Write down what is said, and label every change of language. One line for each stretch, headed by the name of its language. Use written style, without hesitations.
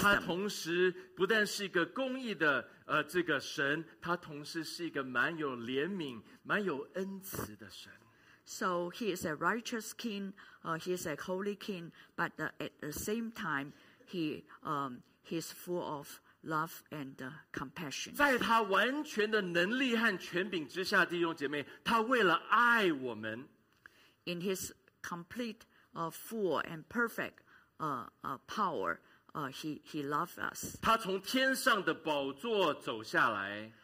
Chinese: 他同时不但是一个公义的, 这个神, 他同时是一个蛮有怜悯, 蛮有恩慈的神。
English: So he is a righteous king, he is a holy king, but at the same time, he is full of love and compassion.
Chinese: 在他完全的能力和权柄之下, 弟兄姐妹, 他为了爱我们,
English: in his complete, full and perfect power, he loved us.
Chinese: 他从天上的宝座走下来,